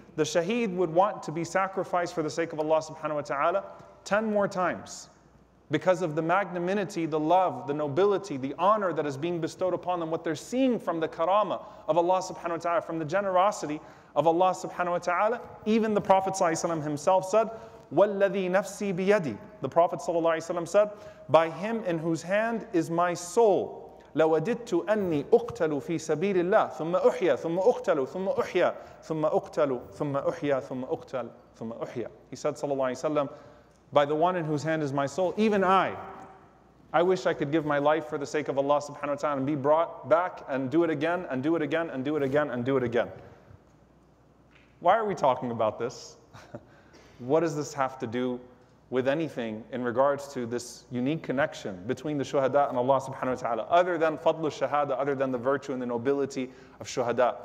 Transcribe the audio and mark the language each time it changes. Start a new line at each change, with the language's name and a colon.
English: The shaheed would want to be sacrificed for the sake of Allah subhanahu wa ta'ala 10 more times because of the magnanimity, the love, the nobility, the honor that is being bestowed upon them, what they're seeing from the karama of Allah subhanahu wa ta'ala, from the generosity of Allah subhanahu wa ta'ala. Even the Prophet sallallahu alayhi wa sallam himself said,
Arabic: وَالَّذِي نَفْسِي بِيَدِي.
English: The Prophet sallallahu alayhi wa sallam said, by him in whose hand is my soul,
Arabic: لَوَدِدْتُ أَنِّي أُقْتَلُ فِي سَبِيلِ اللَّهِ ثُمَّ أُحْيَا ثُمَّ أُقْتَلُ ثُمَّ أُحْيَا ثُمَّ أُقْتَلُ ثُمَّ أُحْيَا ثُمَّ أُقْتَلُ ثُمَّ أُحْيَا.
English: He said sallallahu alayhi wa sallam, by the one in whose hand is my soul, even I wish I could give my life for the sake of Allah subhanahu wa ta'ala and be brought back and do it again and do it again and do it again and do it again. Why are we talking about this? What does this have to do with anything in regards to this unique connection between the shuhada and Allah subhanahu wa ta'ala, other than fadl shahada, other than the virtue and the nobility of shuhada?